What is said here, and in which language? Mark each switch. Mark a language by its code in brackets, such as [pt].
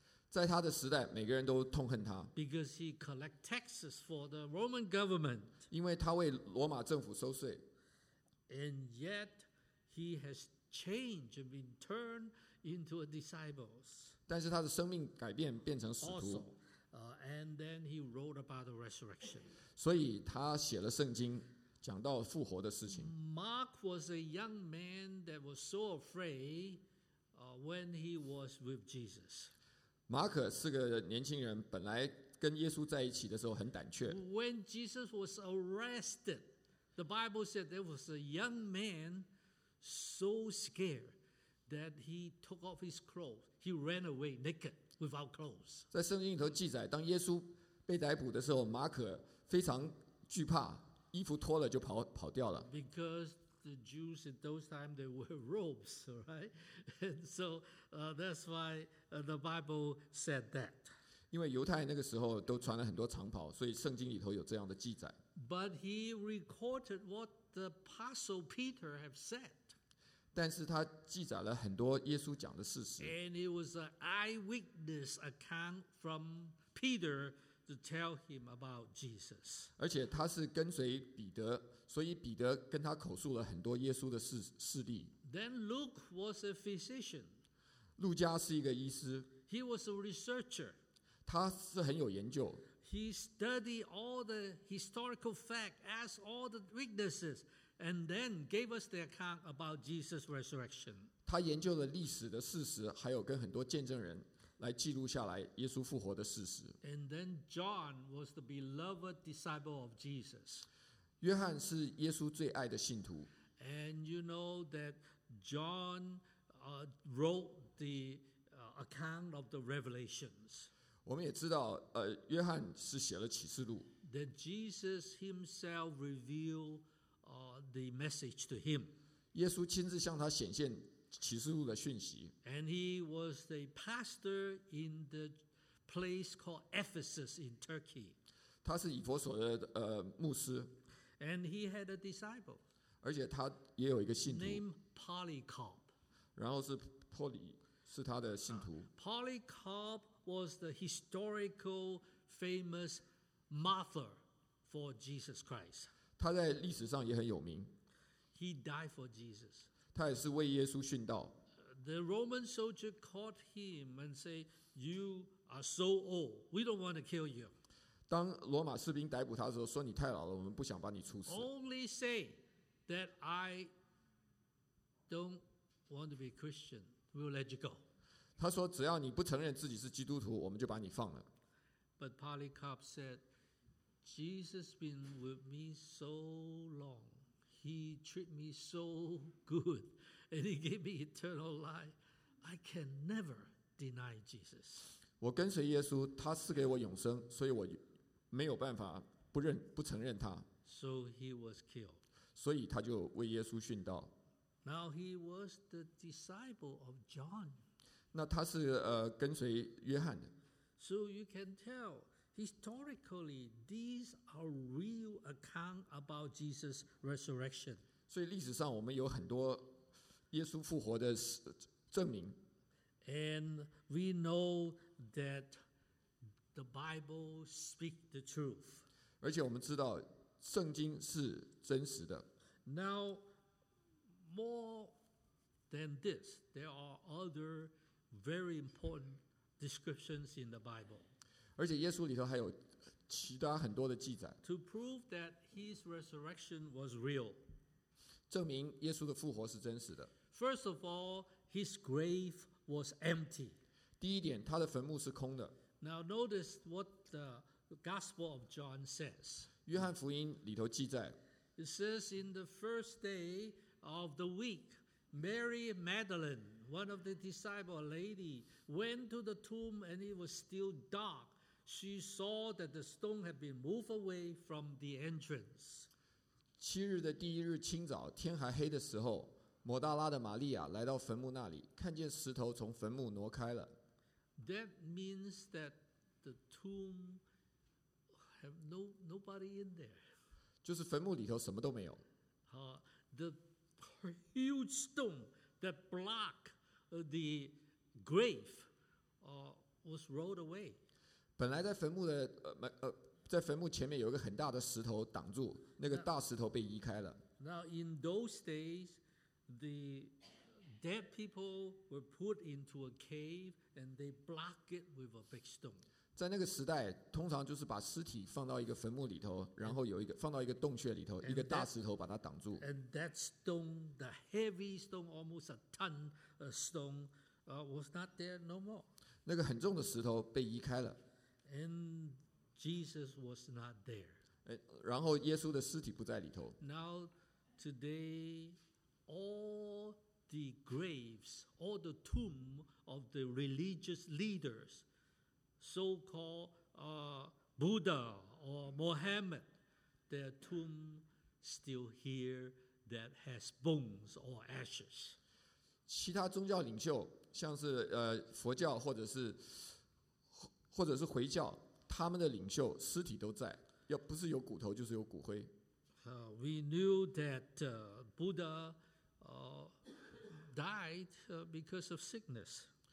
[zh] 在他的时代，每个人都痛恨他。 [en] Because he collect taxes for the Roman government. [zh] 因为他为罗马政府收税。 [en] And yet he has changed and been turned into a disciple. [zh] 但是他的生命改变，变成使徒。 [en] And then he wrote about the resurrection. [zh] 所以他写了圣经，讲到复活的事情。 [en] Mark was a young man that was so afraid, when he was with Jesus. [zh] 马可是个年轻人，本来跟耶稣在一起的时候很胆怯。 [en] When Jesus was arrested, the Bible said there was a young man so scared that he took off his clothes. He ran away naked without clothes. [zh] 在圣经里头记载，当耶稣被逮捕的时候，马可非常惧怕，衣服脱了就跑掉了。 [en] Because the Jews in those times they wear robes, right? And so that's why the Bible said that. [zh] 因为犹太那个时候都穿了很多长袍，所以圣经里头有这样的记载。 [en] But he recorded what the Apostle Peter have said. [zh] 但是他记载了很多耶稣讲的事实。 [en] And it was an eyewitness account from Peter to tell him about Jesus. [zh] 而且他是跟随彼得，所以彼得跟他口述了很多耶稣的事例。 [en] Then Luke was a physician. [zh] 路加是一个医师。 [en] He was a researcher. [zh] 他是很有研究。 [en] He studied all the historical facts, asked all the witnesses. And then gave us the account about Jesus' resurrection. [zh] 他研究了历史的事实，还有跟很多见证人来记录下来耶稣复活的事实。 [en] And then John was the beloved disciple of Jesus. [zh] 约翰是耶稣最爱的信徒。 [en] And you know that John wrote the account of the revelations. [zh] 我们也知道，约翰是写了启示录。 [en] That Jesus himself revealed. The message to him. [zh] 耶稣亲自向他显现启示录的讯息。 [en] And he was a pastor in the place called Ephesus in Turkey. [zh] 他是以弗所的牧师。 [en] And he had a disciple. [zh] 而且他也有一个信徒。 [en] Named Polycarp. [zh] 然后是波里是他的信徒。 [en] Polycarp was the historical famous martyr for Jesus Christ. [zh] 他在历史上也很有名。 [en] He died for Jesus. [zh] 他也是为耶稣殉道。 [en] The Roman soldier caught him and said, "You are so old. We don't want to kill you." [zh] 当罗马士兵逮捕他的时候，说你太老了，我们不想把你处死。 [en] Only say that I don't want to be Christian. We'll let you go. [zh] 他说只要你不承认自己是基督徒，我们就把你放了。 [en] But Polycarp said. Jesus has been with me so long. He treated me so good. And he gave me eternal life. I can never deny Jesus. [zh] 我跟随耶稣，他赐给我永生，所以我没有办法不承认他。 [en] So he was killed. [zh] 所以他就为耶稣殉道。 [en] Now he was the disciple of John. [zh] 那他是跟随约翰的。 [en] So you can tell. Historically, these are real account about Jesus' resurrection. [zh] 所以历史上我们有很多耶稣复活的证明。 [en] And we know that the Bible speaks the truth. [zh] 而且我们知道圣经是真实的。 [en] Now, more than this, there are other very important descriptions in the Bible. [zh] 而且耶稣里头还有其他很多的记载。 [en] To prove that his resurrection was real. [zh] 证明耶稣的复活是真实的。 [en] First of all, his grave was empty. [zh] 第一点，他的坟墓是空的。 [en] Now notice what the Gospel of John says. [zh] 约翰福音里头记载。 [en] It says in the first day of the week, Mary Magdalene, one of the disciples, a lady, went to the tomb and it was still dark. She saw that the stone had been moved away from the entrance. [zh] 七日的第一日清早，天还黑的时候，抹大拉的玛利亚来到坟墓那里，看见石头从坟墓挪开了。 [en] That means that the tomb have nobody in there. [zh] 就是坟墓里头什么都没有。 [en] The huge stone that blocked the grave, was rolled away. [zh] 本来在坟墓的在坟墓前面有一个很大的石头挡住，那个大石头被移开了。 [en] Now in those days, the dead people were put into a cave and they block it with a big stone. [zh] 在那个时代，通常就是把尸体放到一个坟墓里头，然后有一个放到一个洞穴里头，一个大石头把它挡住。 [en] And that stone, the heavy stone, almost a ton of stone, was not there no more. [zh] 那个很重的石头被移开了。 [en] And Jesus was not there. [zh] 然后耶稣的尸体不在里头。 [en] Now, today, all the graves or the tomb of the religious leaders, so-called Buddha or Mohammed, their tomb still here that has bones or ashes. [zh] 其他宗教领袖，像是佛教或者是回教，他们的领袖尸体都在，要不是有骨头就是有骨灰。 [en] We knew that Buddha died because of sickness.